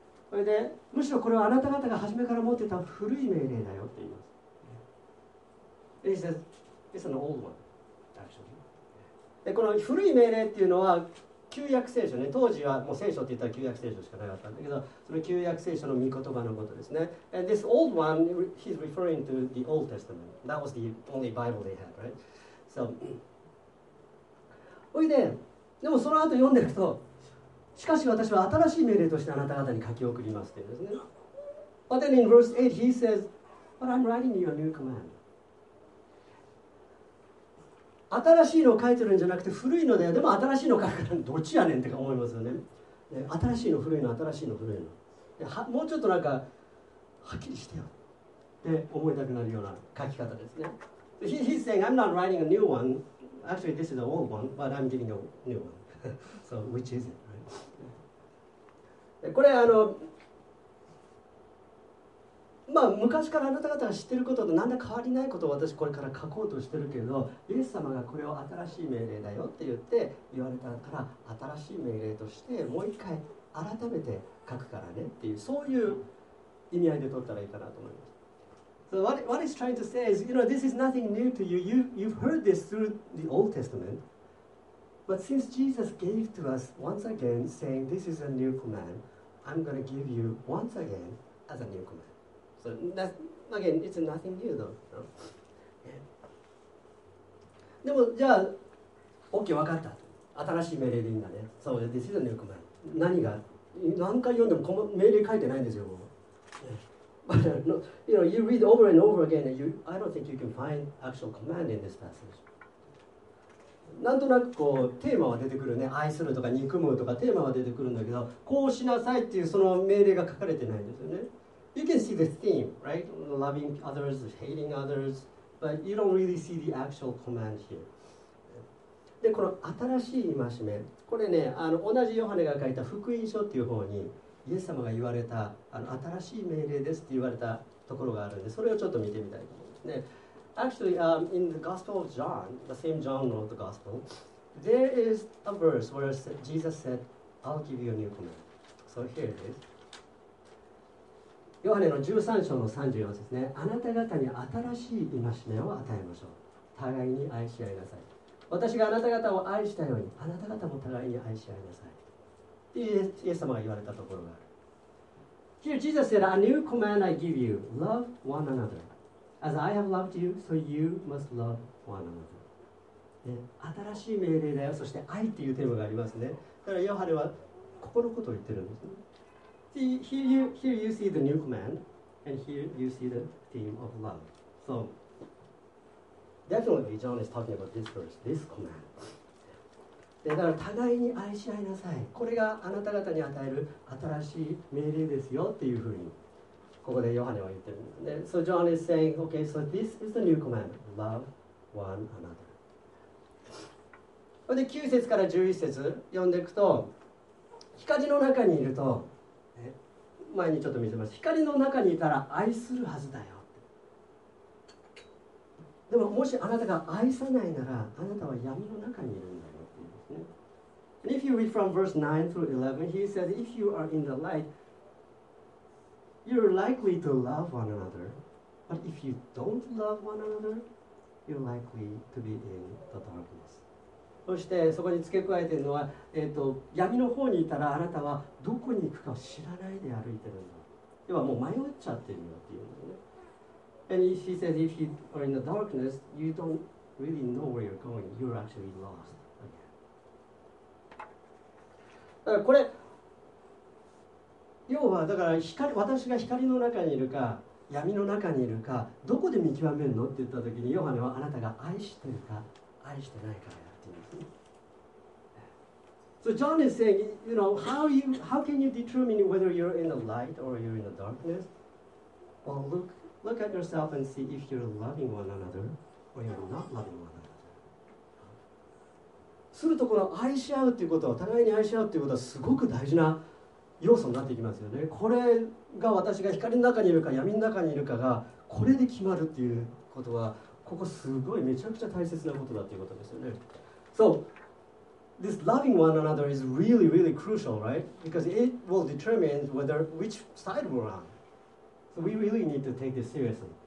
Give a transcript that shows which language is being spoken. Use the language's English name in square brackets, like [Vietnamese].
[Japanese] それで、むしろこれはあなた方が初めから持ってた古い命令だよって言います。 [English] He says, it's an old one, actually. [Japanese] でこの古い命令っていうのは、旧約聖書ね、当時はもう聖書って言ったら旧約聖書しかなかったんだけど、その旧約聖書の御言葉のことですね。 [English] And this old one, he's referring to the Old Testament. That was the only Bible they had, right? So, [Japanese] おいで、でもその後読んでると、しかし私は新しい命令としてあなた方に書き送りますっていうですね。 [English] But then in verse 8, he says, But I'm writing you a new command. [Japanese] 新しいのを書いてるんじゃなくて古いのだよ。でも新しいのを書くからどっちやねんって思いますよね。で新しいの古いの新しいの古いのではもうちょっとなんかはっきりしてよって思いたくなるような書き方ですね。 [English] He's saying I'm not writing a new one. Actually this is an old one, but I'm giving a new one. So which is it? [Japanese] これあのまあ、昔からあなた方が知っていることと何ら変わりないことを私これから書こうとしているけど、イエス様がこれを新しい命令だよって言って言われたから、新しい命令としてもう一回改めて書くからねっていう、そういう意味合いで取ったらいいかなと思います。 [English] So what it's trying to say is, you know, this is nothing new to you. You've heard this through the Old Testament. But since Jesus gave to us once again, saying this is a new command, I'm going to give you once again as a new command. That, again, it's nothing new though. [Japanese] でもじゃあ OK 分かった、新しい命令でいいんだね。そうですよね。よくない何が何回読んでもこの命令書いてないんですよ。 [English] You know, you read over and over again and you, I don't think you can find actual command in this passage. [Japanese] なんとなくこうテーマは出てくるね。愛するとか憎むとかテーマは出てくるんだけど、こうしなさいっていうその命令が書かれてないんですよね。 [English] You can see the theme, right? Loving others, hating others, but you don't really see the actual command here. [Japanese] で、この新しい戒め、これね、あの同じヨハネが書いた福音書っていう方にイエス様が言われたあの新しい命令ですって言われたところがあるんで、それをちょっと見てみたいと思うんですね。 [English] Actually, in the Gospel of John, the same John wrote the Gospel, there is a verse where Jesus said, "I'll give you a new command." So here it is. [Japanese] ヨハネの13章の34節ですね。あなた方に新しい戒めを与えましょう。互いに愛し合いなさい。私があなた方を愛したようにあなた方も互いに愛し合いなさい。イエス様が言われたところがある。 [English] Here Jesus said, A new command I give you, love one another. As I have loved you, so you must love one another. [Japanese] で新しい命令だよ。そして愛っていうテーマがありますね。だからヨハネはここのことを言ってるんですね。 [English] Here you see the new command, and here you see the theme of love. So, definitely John is talking about this verse, this command. [Japanese] で、だから互いに愛し合いなさい。これがあなた方に与える新しい命令ですよっていうふうにここでヨハネは言ってるんですね。 [English] So John is saying, okay, so this is the new command, love one another. [Japanese] で、9節から11節読んでいくと、光の中にいると、前にちょっと見せました。光の中にいたら愛するはずだよ。でももしあなたが愛さないなら、あなたは闇の中にいるんだよ。 [English] And if you read from verse 9 through 11, he says, if you are in the light, you're likely to love one another. But if you don't love one another, you're likely to be in the darkness. [Japanese] そしてそこに付け加えているのは、闇の方にいたらあなたはどこに行くかを知らないで歩いているんだ。要はもう迷っちゃってるよっていうのね。 [English] And he says, if you are in the darkness, you don't really know where you're going. You're actually lost again. [Japanese] だからこれ、要はだから光、私が光の中にいるか闇の中にいるかどこで見極めるのって言った時に、ヨハネはあなたが愛してるか愛してないかやって言うんですね。 [English] So John is saying, you know, how can you determine whether you're in the light or you're in the darkness? Well, look at yourself and see if you're loving one another or you're not loving one another. [Japanese] すると、この愛し合うということは、互いに愛し合うということはすごく大事な要素になってきますよね。これが私が光の中にいるか闇の中にいるかがこれで決まるっていうことは、ここすごいめちゃくちゃ大切なことだということですよね。 [English] So,This loving one another is really, really crucial, right? Because it will determine whether which side we're on. So we really need to take this seriously.